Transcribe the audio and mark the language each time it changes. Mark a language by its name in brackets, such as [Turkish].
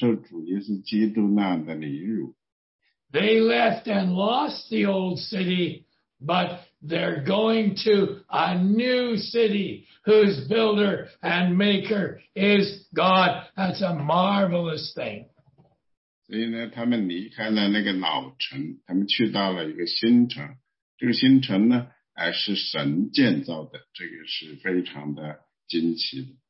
[Chinese] 因为他们说那地基督徒呢，他们当时呢说是他们不是去回到那个城内，回到圣殿，回到那些把主耶稣基督杀了的祭司那里去。他们相反，他们是出到城外，出到城外呢就跟着主耶稣基督去，受主耶稣基督那样的凌辱。 [English] They left and lost the old city, but they're going to a new city whose builder and maker is God. That's a marvelous thing. [Chinese] 所以呢，他们离开了那个老城，他们去到了一个新城。这个新城呢，是神建造的，这个是非常的惊奇的。